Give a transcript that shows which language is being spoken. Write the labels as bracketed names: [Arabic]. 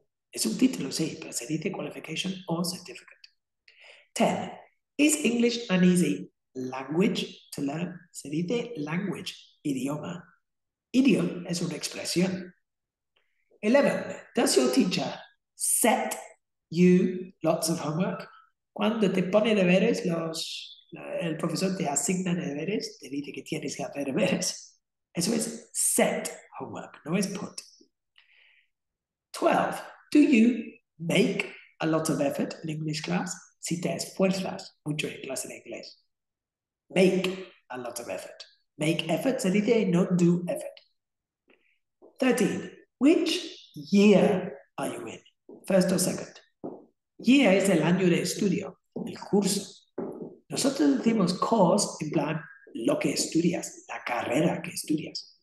[Spanish] Es un título, sí, pero se dice qualification or certificate. 10. [English] Is English an easy language to learn? [Spanish] Se dice language, idioma. Idiom es una expresión. 11. [English] Does your teacher set you lots of homework? [Spanish] Cuando te pone deberes, el profesor te asigna deberes, te dice que tienes que hacer deberes. Eso es set homework, no es put. 12. [English] Do you make a lot of effort in English class? [Spanish] Si te esfuerzas mucho en clase de inglés. [English] Make a lot of effort. Make effort, [Spanish] se dice [English] not do effort. 13. Which year are you in? First or second? [Spanish] Year es el año de estudio, el curso. Nosotros decimos course en plan lo que estudias, la carrera que estudias.